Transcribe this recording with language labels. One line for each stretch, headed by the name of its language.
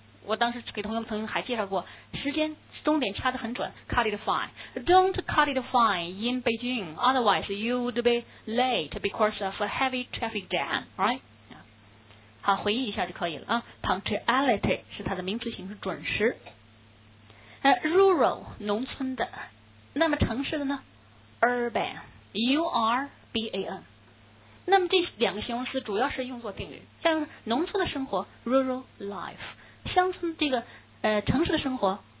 Chinese: 我当时给同学们曾经还介绍过，时间终点掐得很准。
English: Cut it fine. Don't cut it fine in Beijing. Otherwise, you would be late because of a heavy traffic jam, right?
Chinese: 好，回忆一下就可以了啊。 Punctuality 是它的名词形式，准时。Rural 农村的，那么城市的呢 ？Urban, U-R-B-A-N。那么这两个形容词主要是用作定语，像农村的生活 （rural life）， 乡村这个城市的生活。